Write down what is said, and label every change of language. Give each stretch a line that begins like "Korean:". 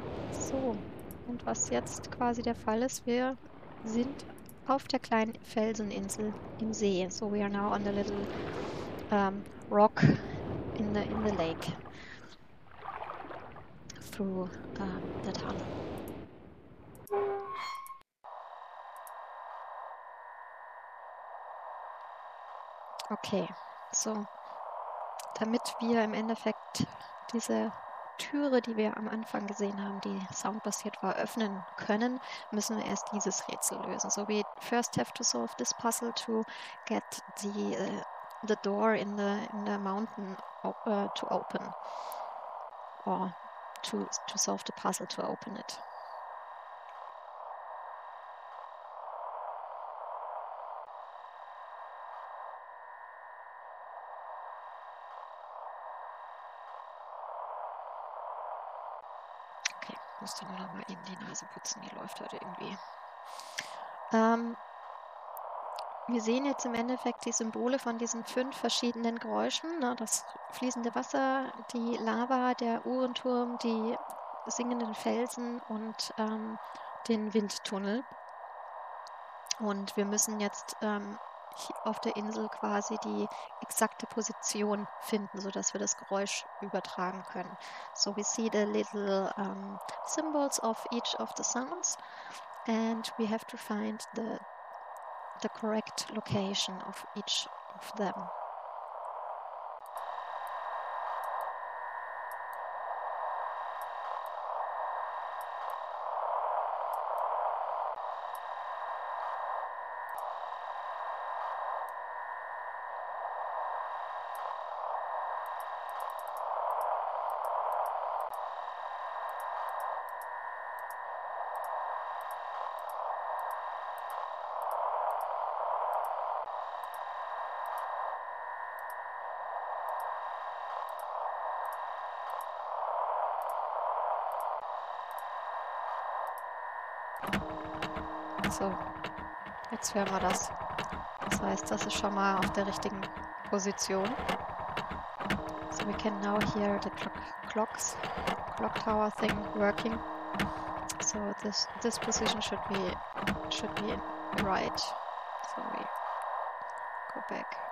German: So, und was jetzt quasi der Fall ist, wir sind auf der kleinen Felseninsel im See.
English: So, we are now on the little rock in the lake through the tunnel.
German: Okay, so, damit wir im Endeffekt diese Türe, die wir am Anfang gesehen haben, die soundbasiert war, öffnen können, müssen wir erst dieses Rätsel lösen.
English: So, we first have to solve this puzzle to get the door in the mountain to open. Or to solve the puzzle to open it.
German: Musste nur noch mal eben die Nase putzen, die läuft heute irgendwie. Wir sehen jetzt im Endeffekt die Symbole von diesen fünf verschiedenen Geräuschen. Ne? Das fließende Wasser, die Lava, der Uhrenturm, die singenden Felsen und den Windtunnel. Und wir müssen jetzt auf der Insel quasi die exakte Position finden, sodass wir das Geräusch übertragen können.
English: So we see the little symbols of each of the sounds and we have to find the correct location of each of them.
German: So, jetzt hören wir das. Das heißt, das ist schon mal auf der richtigen Position.
English: So, we can now hear the clock tower thing working. So, this position should be right. So, we go back.